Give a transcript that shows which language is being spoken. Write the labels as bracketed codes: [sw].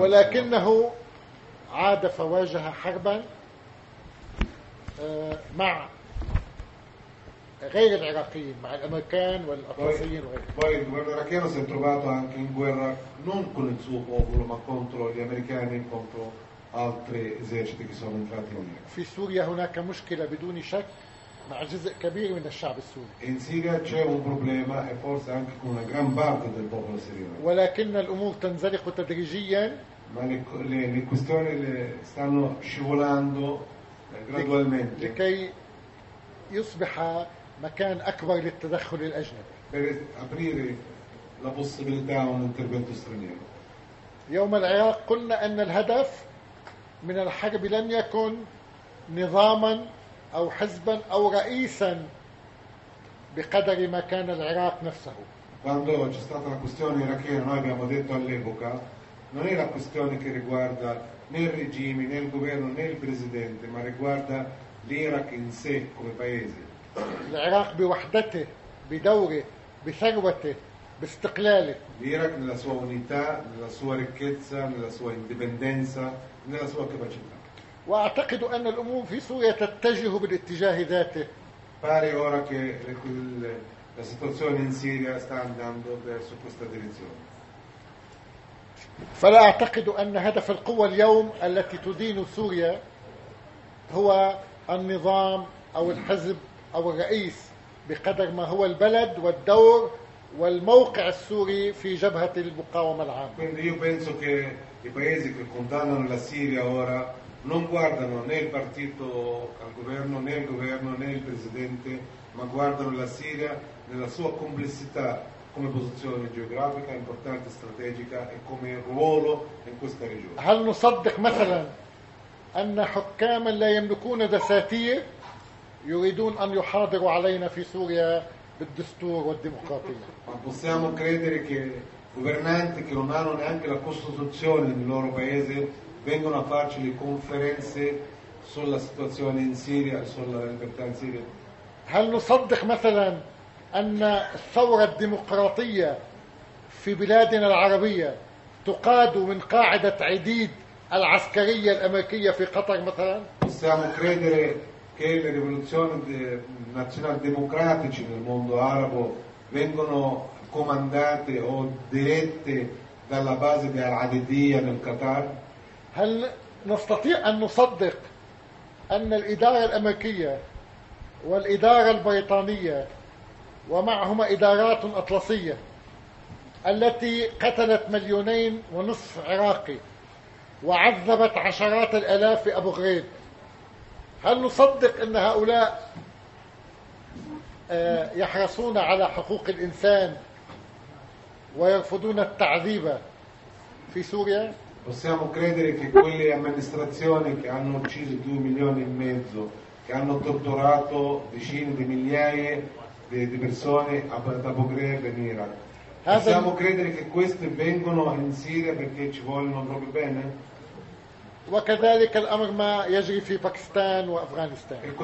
[ar] ولكنه عاد فواجه حربا مع غير العراقيين، مع الأمريكان والأطلسيين وغيرهم. [it] Poi il governo iracheno si è trovato anche in guerra non con il suo popolo ma contro gli americani e contro altri eserciti che sono entrati in Iraq. [ar] في سوريا هناك مشكلة بدون شك مع جزء كبير من الشعب السوري. [it] In Siria c'è un problema e forse anche con una gran parte del popolo siriano. [ar] ولكن الأمور تنزلق تدريجيا. [it] Ma le questioni le stanno scivolando gradualmente. [ar] لكي يصبح مكان أكبر للتدخل الأجنبي. [it] Per aprire la possibilità a un intervento straniero. [ar] يوم العراق قلنا أن الهدف من الحرب لم يكن نظاما أو حزبا أو رئيسا بقدر ما كان العراق نفسه. [it] Quando c'è stata la questione irachena, noi abbiamo detto all'epoca, non è la questione che riguarda né il regime, né il governo, né il presidente, ma riguarda l'Iraq in sé come paese. [ar] العراق بوحدته بدوره بثروته باستقلاله. [it] L'Iraq nella sua unità, nella sua ricchezza, nella sua indipendenza, nella sua capacità. [ar] واعتقد ان الامور في سوريا تتجه بالاتجاه ذاته. [it] Pare ora che la situazione in Siria sta andando verso questa direzione. [ar] فلا اعتقد ان هدف القوة اليوم التي تدين سوريا هو النظام او الحزب او الرئيس بقدر ما هو البلد والدور والموقع السوري في جبهة المقاومة العامة. [it] Quindi io penso che i paesi che contano la Siria ora non guardano né il partito al governo né il governo né il presidente ma guardano la Siria nella sua complessità come posizione geografica importante, strategica e come ruolo in questa regione. [ar] هل نصدق مثلا ان حكاما لا يملكون دساتير يريدون ان يحاضروا علينا في سوريا بالدستور والديمقراطية؟ [it] Ma possiamo credere che governanti che non hanno neanche la costituzione nel loro paese vengono a farci le conferenze sulla situazione in Siria, sulla libertà in Siria? [ar] هل نصدق مثلا ان الثورة الديمقراطية في بلادنا العربية تقاد من قاعدة عديد العسكرية الأمريكية في قطر مثلا؟ [it] Possiamo credere che le rivoluzioni nazional democratici nel mondo arabo vengono comandate o dirette dalla base di Al-Adidiyya nel Qatar? [ar] هل نستطيع ان نصدق ان الإدارة الأمريكية والإدارة البريطانية ومعهما إدارات أطلسية التي قتلت 2.5 مليون عراقي وعذبت عشرات الآلاف في أبو غريب، هل نصدق أن هؤلاء يحرصون على حقوق الإنسان ويرفضون التعذيب في سوريا؟ [it] Possiamo credere che quelle amministrazioni che hanno ucciso 2.5 milioni, che hanno torturato decine di migliaia di persone a Abu Ghraib in Iraq, possiamo credere che queste vengono in Siria perché ci vogliono proprio bene? [ar] وكذلك الأمر ما يجري في باكستان وأفغانستان.